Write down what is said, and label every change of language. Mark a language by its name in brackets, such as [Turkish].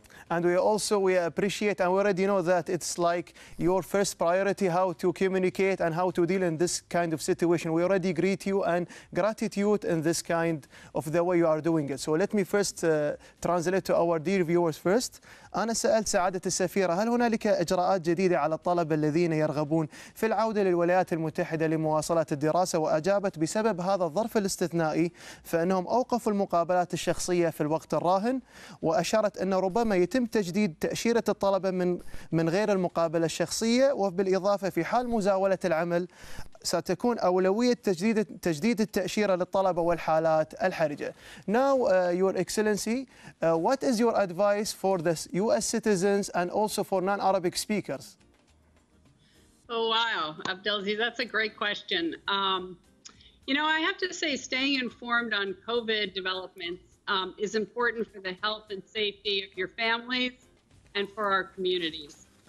[English] And we appreciate, and we already know that it's like your first priority how to communicate and how to deal in this kind of situation. We already greet you and gratitude in this kind of the way you are doing it. So let me first translate to our dear viewers first. [Arabic] أنا سألت سعادة السفيرة هل هنالك إجراءات جديدة على الطلبة الذين يرغبون في العودة للولايات المتحدة لمواصلة الدراسة وأجابت بسبب هذا الظرف الاستثنائي فإنهم أوقفوا المقابلات الشخصية في الوقت الراهن وأشارت أن ربما يتم تجديد تأشيرة الطلبة من غير المقابلة الشخصية وبالإضافة في حال مزاولة العمل ستكون أولوية تجديد التأشيرة للطلبة والحالات الحرجة. [English] Now, Your Excellency, what is your advice for the U.S. citizens and also for non-Arabic speakers? Oh, wow, Abdulaziz, that's a great question. You know, I have to say staying informed on COVID developments is important for the health and safety of your families and for our communities.